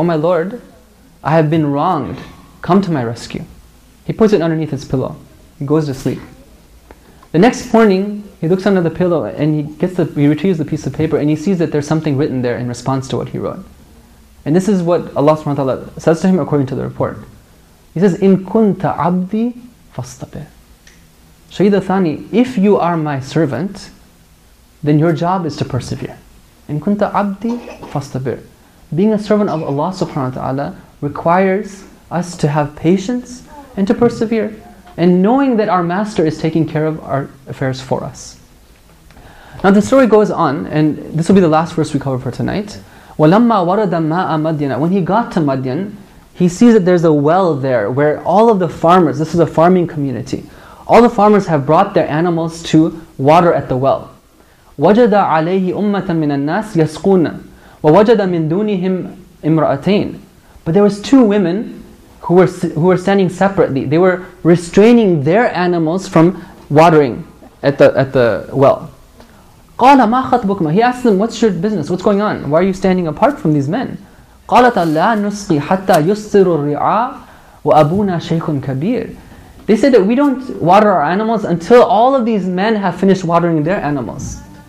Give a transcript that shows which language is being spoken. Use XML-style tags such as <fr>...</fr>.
<en>Oh my Lord, I have been wronged. Come to my rescue. He puts it underneath his pillow. He goes to sleep. The next morning, he looks under the pillow and he retrieves the piece of paper and he sees that there's something written there in response to what he wrote. And this is what Allah subhanahu wa ta'ala says to him according to the report. He says,</en> <ar>إِن كُنْتَ عَبْدِي فَاسْتَبِرْ.</ar> <en>Shahid Athani, if you are my servant, then your job is to persevere.</en> <ar>إِن كُنْتَ عَبْدِي فَاسْتَبِرْ.</ar> <en>Being a servant of Allah subhanahu wa ta'ala requires us to have patience and to persevere. And knowing that our master is taking care of our affairs for us. Now the story goes on, and this will be the last verse we cover for tonight.</en> <ar>وَلَمَّا وَرَدَ مَاءَ مَدْيَنَ</ar> <en>When he got to Madian, he sees that there's a well there where all of the farmers, this is a farming community, all the farmers have brought their animals to water at the well.</en> <ar>وَجَدَ عَلَيْهِ أُمَّةً مِنَ النَّاسِ يَسْقُونَ وَوَجَدَ مِن دُونِهِمْ إِمْرَأَتَيْنِ</ar> <en>But there was two women who were standing separately. They were restraining their animals from watering at the well.</en> <ar>قَالَ مَا خَطْبُكُمَا</ar> <en>He asked them, what's your business? What's going on? Why are you standing apart from these men?</en> <ar>قَالَتَ لَا نُسْقِي حَتَّى يُسْتِرُ الرِّعَى وَأَبُونَا شَيْخٌ كَبِيرٌ</ar> <en>They said that we don't water our animals until all of these men have finished watering their animals.</en>